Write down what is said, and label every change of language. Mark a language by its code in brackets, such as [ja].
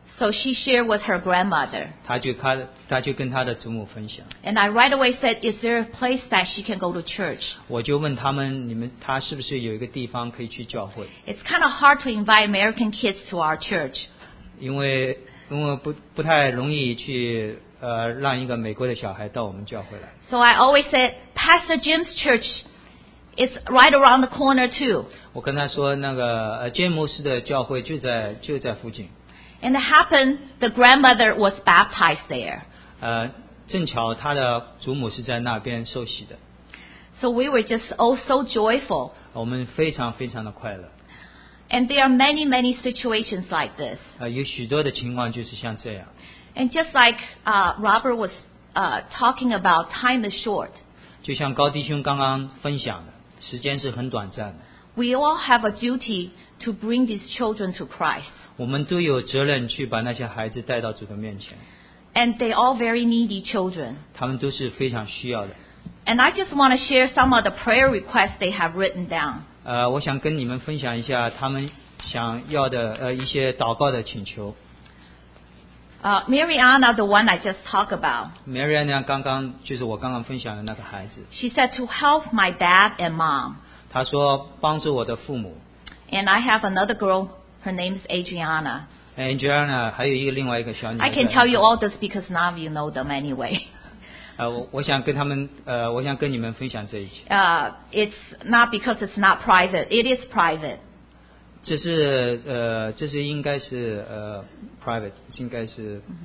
[en] So she shared with her grandmother. [zh] 她就跟她的祖母分享。 [en] And I right away said, is there a place that she can go to church? [zh] 我就问他们，你们她是不是有一个地方可以去教会？ [en] It's kind of hard to invite American kids to our church. [zh] 因为不太容易去让一个美国的小孩到我们教会来。 [en] So I always said, Pastor Jim's church is right around the corner too. [zh] 我跟她说，那个Jim牧师的教会就在附近。 [en] And it happened, the grandmother was baptized there. [zh] 正巧她的祖母是在那边受洗的。 [en] So we were just all so joyful. [zh] 我们非常非常的快乐。 [en] And there are many, many situations like this. [zh] 有许多的情况就是像这样。 [en] And just like Robert was talking about, time is short. [zh] 就像高弟兄刚刚分享的，时间是很短暂的。 [en] We all have a duty to bring these children to Christ. [zh] 我们都有责任去把那些孩子带到主的面前。 [en] And they all very needy children. [zh] 他们都是非常需要的。 [en] And I just want to share some of the prayer requests they have written down. [zh] 我想跟你们分享一下他们想要的一些祷告的请求。 [en] Mariana, the one I just talked about. [zh] Mariana 刚刚就是我刚刚分享的那个孩子。 [en] She said to help my dad and mom. [zh] 她说帮助我的父母。 [en] And I have another girl. Her name is Adriana. [zh] Adriana, 还有一个另外一个小女孩。 [en] I can tell you all this because none of you know them anyway. [zh] 我想跟他们我想跟你们分享这一切。 [en] It's not because it's not private. It is private. [zh] 这是应该是private, 应该是。